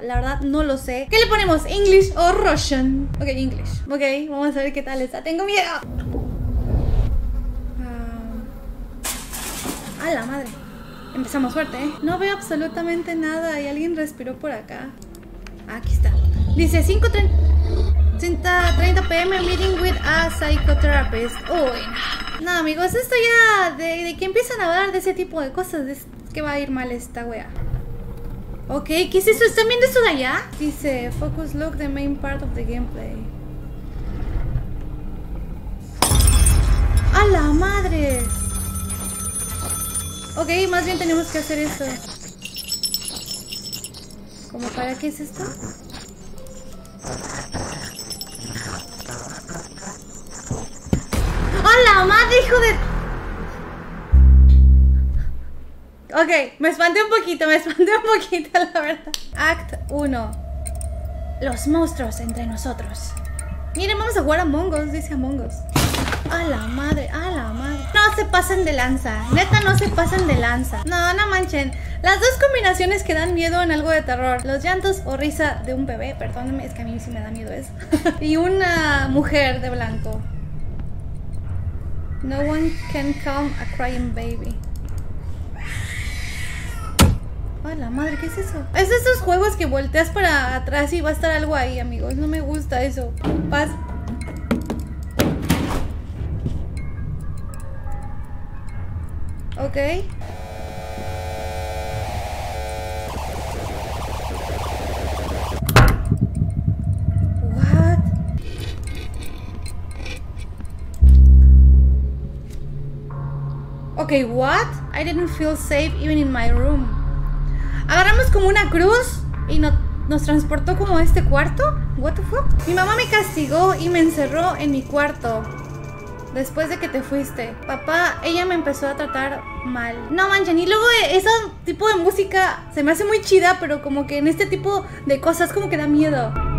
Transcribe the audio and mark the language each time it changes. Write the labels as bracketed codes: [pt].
[es] La verdad, no lo sé. ¿Qué le ponemos? ¿English o Russian? Ok, English. Ok, vamos a ver qué tal está. ¡Tengo miedo! A la madre. Empezamos fuerte, ¿eh? No veo absolutamente nada. ¿Y alguien respiró por acá? Aquí está. Dice 5:30 p.m. [en] meeting with a psychotherapist. [es] Uy, no. No, amigos, esto ya... ¿De qué empiezan a hablar de ese tipo de cosas? Es que va a ir mal esta wea. Ok, ¿qué es eso? ¿Están viendo eso de allá? [en] Dice, focus look the main part of the gameplay. [es] ¡A la madre! Ok, más bien tenemos que hacer esto. ¿Cómo para qué es esto? ¡Hola, madre, hijo de...! Ok, me espanté un poquito, la verdad. Act 1. Los monstruos entre nosotros. Miren, vamos a jugar a Among Us, dice Among Us. A la madre, a la madre. No se pasen de lanza, neta, no se pasen de lanza. No, no manchen. Las dos combinaciones que dan miedo en algo de terror: los llantos o risa de un bebé. Perdónenme, es que a mí sí me da miedo eso. Y una mujer de blanco. [en] No one can calm a crying baby. [es] A la madre, ¿qué es eso? Es esos juegos que volteas para atrás y va a estar algo ahí, amigos. No me gusta eso. Paz. Ok. [en] What? Ok, what? I didn't feel safe even in my room. [es] Agarramos como una cruz y nos transportó como a este cuarto. [en] What the fuck? [es] Mi mamá me castigó y me encerró en mi cuarto. Después de que te fuiste. Papá, ella me empezó a tratar mal. No manchen, y luego ese tipo de música se me hace muy chida, pero como que en este tipo de cosas como que da miedo.